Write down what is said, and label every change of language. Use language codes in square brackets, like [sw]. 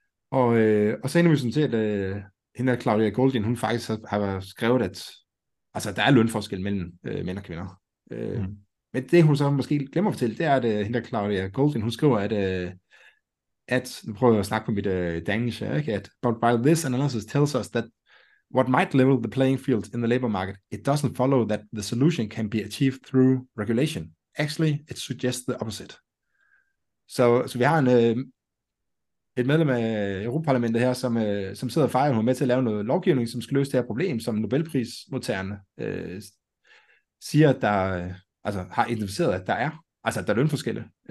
[da] Og så ender vi sådan til, at hende der Claudia Goldin, hun faktisk har skrevet, at altså, der er lønforskel mellem mænd og kvinder. Men det, hun så måske glemmer at fortælle, det er, at hende der Claudia Goldin, hun skriver, at nu prøver jeg at snakke på mit dansk, ikke? [en] At, but while this analysis tells us that what might level the playing field in the labor market, it doesn't follow that the solution can be achieved through regulation. Actually, it suggests the opposite. [da] Så vi har et medlem af Europaparlamentet her, som sidder og fejrer, hun er med til at lave noget lovgivning, som skal løse det her problem, som Nobelprismodtagerne siger, at der altså har identificeret, at der er, altså at der er lønforskelle.